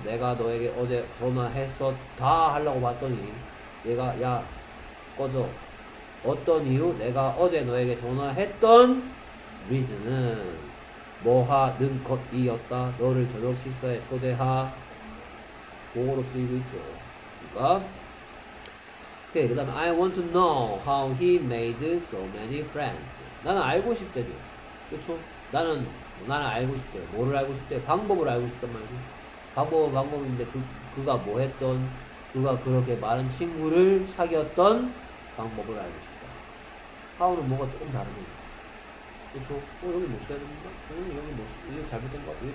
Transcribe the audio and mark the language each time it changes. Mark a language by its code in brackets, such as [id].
[ko] 내가 너에게 어제 전화했었다 하려고 봤더니, 얘가, 야, 꺼져. 어떤 이유? 내가 어제 너에게 전화했던 reason은 뭐 하는 것이었다. 너를 저녁 식사에 초대하. 그거로 쓰이고 있죠. 그니까. 오케이, 그 다음에 [en] I want to know how he made so many friends. [ko] 나는 알고 싶대죠. 그렇죠? 나는 알고 싶대. 뭐를 알고 싶대? 방법을 알고 싶단 말이죠. 방법은 방법인데 그가 뭐 했던, 그가 그렇게 많은 친구를 사귀었던 방법을 알고 싶다. How는 뭐가 조금 다른 거죠. 그렇죠? 여기 못 써야 됩니다. 여기 못 써. 이게 잘못된 것 같아요.